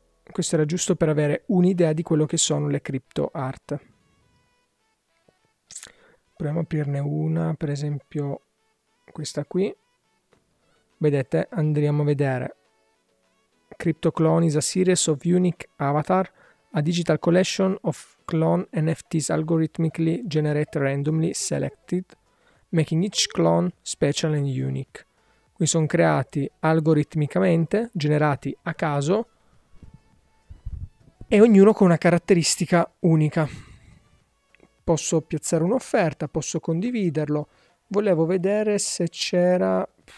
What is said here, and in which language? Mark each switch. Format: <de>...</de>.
<it>Questo era giusto per avere un'idea di quello che sono le crypto art. Proviamo a aprirne una, per esempio questa qui. Vedete, andiamo a vedere.</it> <en>Crypto Clone is a series of unique avatar, a digital collection of clone NFTs algorithmically generated randomly selected, making each clone special and unique.</en> <it>Qui sono creati algoritmicamente, generati a caso, e ognuno con una caratteristica unica. Posso piazzare un'offerta, posso condividerlo. Volevo vedere se c'era.</it>